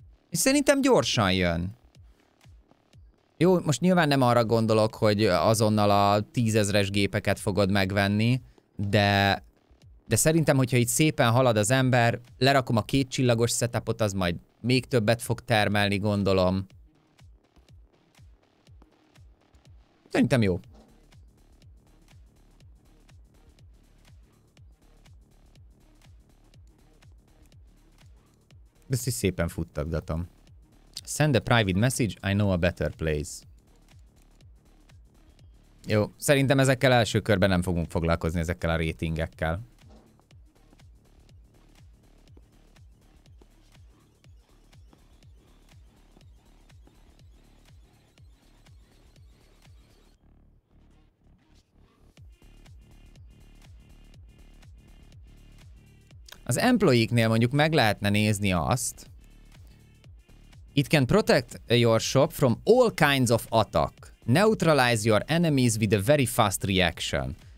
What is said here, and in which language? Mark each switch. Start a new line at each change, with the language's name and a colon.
Hungarian: És szerintem gyorsan jön. Jó, most nyilván nem arra gondolok, hogy azonnal a 10 000-es gépeket fogod megvenni, de szerintem, hogyha itt szépen halad az ember, lerakom a 2 csillagos setupot, az majd még többet fog termelni, gondolom. Szerintem jó. Ezt is szépen futtatgatom.
English: Send a private message, I know a better place.
Hungarian: Jó, szerintem ezekkel első körben nem fogunk foglalkozni, ezekkel a ratingekkel. Az employee-knél mondjuk meg lehetne nézni azt.
English: It can protect your shop from all kinds of attack. Neutralize your enemies with a very fast reaction.